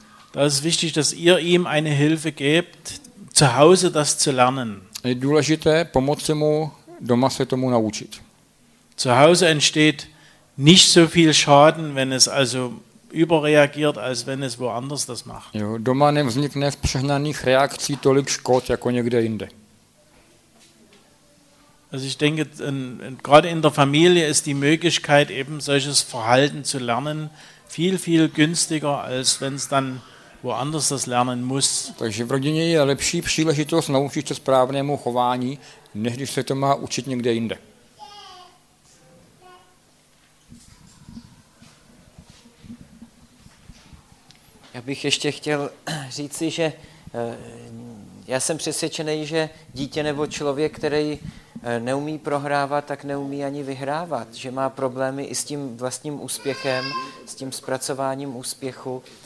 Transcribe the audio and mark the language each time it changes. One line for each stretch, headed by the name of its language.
German: Da ist wichtig, dass ihr ihm eine Hilfe gebt, zu Hause das zu lernen.
Czech: Je důležité pomoci mu doma se tomu naučit.
German: Zu Hause entsteht nicht so viel Schaden, wenn es also überreagiert, als wenn es woanders das macht.
Czech: Jo, doma nevznikne z přehnaných reakcí tolik škod jako někde jinde.
German: Also ich denke, gerade in der Familie ist die Möglichkeit, eben solches Verhalten zu lernen, viel, viel günstiger, als wenn es dann woanders das lernen muss.
Czech: Takže v rodině je lepší příležitost naučit se správnému chování, než když se to má učit někde jinde. Já bych ještě chtěl říci, že já jsem přesvědčený, že dítě nebo člověk, který neumí prohrávat, tak neumí ani vyhrávat, že má problémy i s tím vlastním úspěchem, s tím zpracováním úspěchu.